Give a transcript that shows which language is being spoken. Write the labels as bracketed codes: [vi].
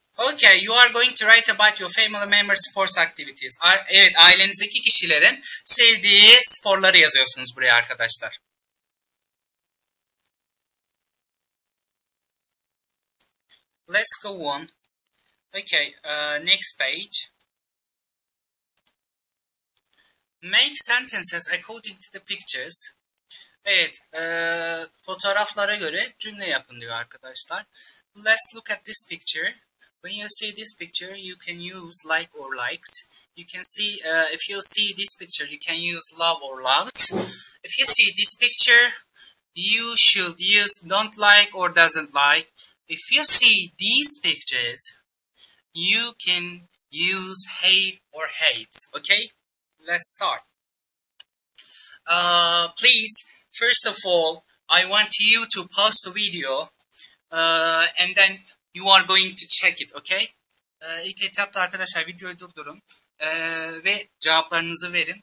[en] Okay, you are going to write about your family member's sports activities. [tr] Evet, ailenizdeki kişilerin sevdiği sporları yazıyorsunuz buraya arkadaşlar. [en] Let's go on. Okay, next page. Make sentences according to the pictures. [tr] Evet, fotoğraflara göre cümle yapın diyor arkadaşlar. [en] Let's look at this picture. When you see this picture, you can use like or likes. You can see, if you see this picture, you can use love or loves. If you see this picture, you should use don't like or doesn't like. If you see these pictures, you can use hate or hates. Okay, let's start. Please, first of all, I want you to pause the video and then you are going to check it, okay? [tr] İlk etapta arkadaşlar videoyu durdurun ve cevaplarınızı verin.